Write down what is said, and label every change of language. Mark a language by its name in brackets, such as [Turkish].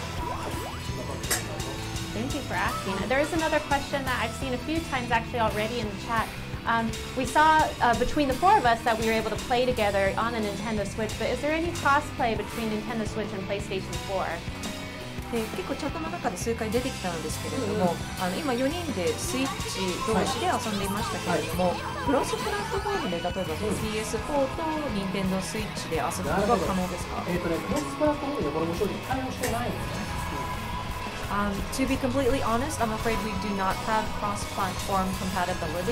[English] Thank you for asking. There is another question that I've seen a few times actually already in the chat. We saw between the four of us that we were able to play together on the Nintendo Switch, but is there any cross-play between Nintendo Switch and PlayStation 4? [Japanese] で結構チャットの中で数回出てきたんですけれども、うん、今4人でスイッチ同士で遊んでいましたけれども、クロスプラットフォームで例えば PS4 と Nintendo Switch で遊ぶことが可能ですか？クロスプラットフォームでこれも正直対応してないんですね。 [English] To be completely honest, I'm afraid we do not have cross-platform compatibility.